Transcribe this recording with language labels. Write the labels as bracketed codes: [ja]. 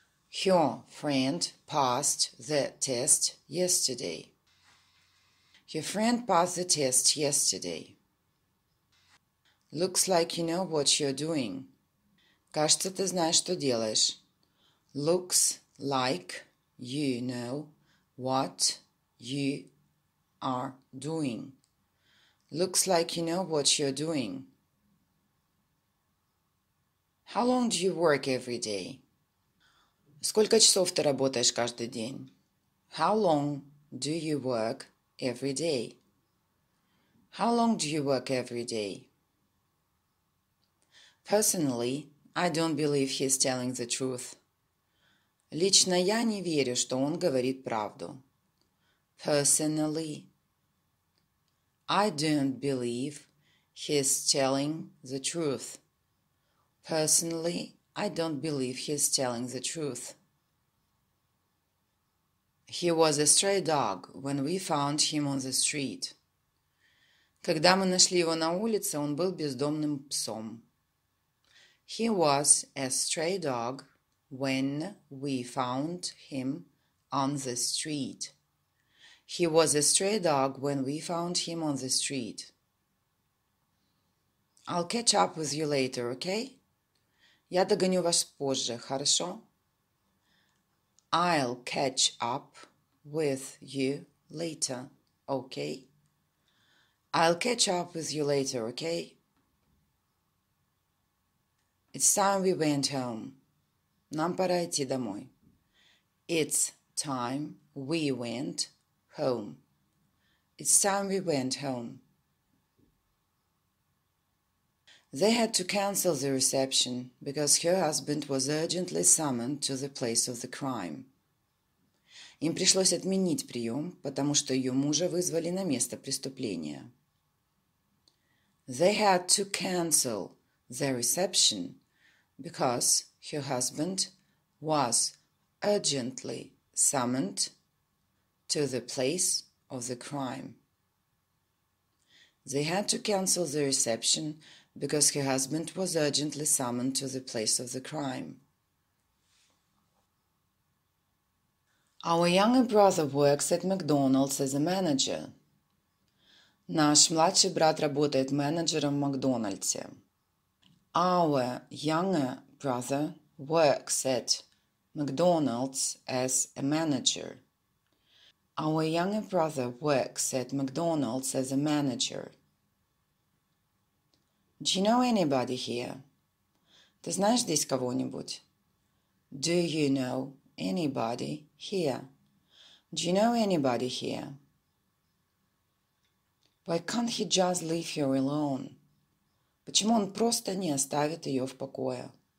[en] Her friend passed the test yesterday. Your friend passed the test yesterday. Looks like you know what you're doing. [ru] Кажется, ты знаешь, что делаешь. [en] Looks like you know what you are doing. Looks like you know what you're doing. How long do you work every day? [ru] Сколько часов ты работаешь каждый день? [en] How long do you work every day? How long do you work every day? Personally, I don't believe he's telling the truth. [ru] Лично я не верю, что он говорит правду. [en] Personally, I don't believe he's telling the truth. Personally, I don't believe he's telling the truth. He was a stray dog when we found him on the street. [ru] Когда мы нашли его на улице, он был бездомным псом. [en] He was a stray dog when we found him on the street. He was a stray dog when we found him on the street. I'll catch up with you later, okay? [ru] Я догоню вас позже, хорошо? [en] I'll catch up with you later, okay? I'll catch up with you later, okay? It's time we went home. [ru] Нам пора идти домой. [en] It's time we went home. It's time we went home. They had to cancel the reception because her husband was urgently summoned to the place of the crime. [ru] Им пришлось отменить прием, потому что ее мужа вызвали на место преступления. [en] They had to cancel the reception because her husband was urgently summoned to the place of the crime. They had to cancel the reception because her husband was urgently summoned to the place of the crime. Our younger brother works at McDonald's as a manager. [ru] Наш младший брат работает менеджером в Макдональдсе. [en] Our younger brother works at McDonald's as a manager. Our younger brother works at McDonald's as a manager. Do you know anybody here? [ru] Ты знаешь здесь кого-нибудь? [en] Do you know anybody here? Do you know anybody here? Why can't he just leave her alone? [ru] Почему он просто не оставит ее в покое?